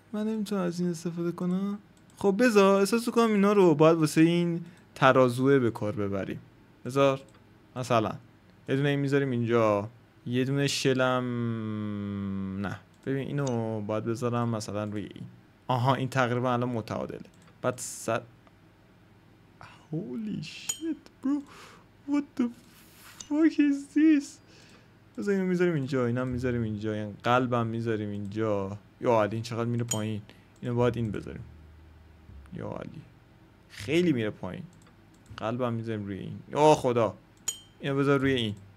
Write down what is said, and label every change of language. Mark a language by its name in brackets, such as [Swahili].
[Persian] من نمیتونم از این استفاده کنم. خب بذار احساس کنم اینا رو باید واسه این ترازوه به کار ببریم. بذار مثلا یه دونه این میذاریم اینجا، یه دونه شلم نه ببین اینو باید بذارم مثلا روی این. آها این تقریبا الان متعادله. بعد صد [English] Holy shit bro, what the fuck is this? [Persian] بذار اینو میذاریم اینجا، اینم میذاریم اینجا، یعنی قلبم میذاریم اینجا. یا علی این چقدر میره پایین. اینو باید این بذاریم. یا علی خیلی میره پایین. قلبم میذاریم روی این. یا خدا اینو بذار روی این.